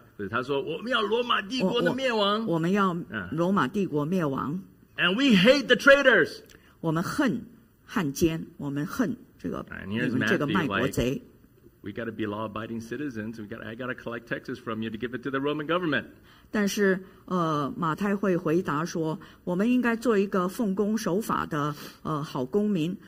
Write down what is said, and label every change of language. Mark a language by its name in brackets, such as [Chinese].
[Chinese] 他说我们要罗马帝国的灭亡。我们要罗马帝国灭亡。 [English] And we hate the traitors. [Chinese] 我们恨汉奸，我们恨这个你们这个卖国贼。 [English] We got to be law-abiding citizens. I got to collect taxes from you to give it to the Roman government. [Chinese] 但是马太会回答说，我们应该做一个奉公守法的好公民。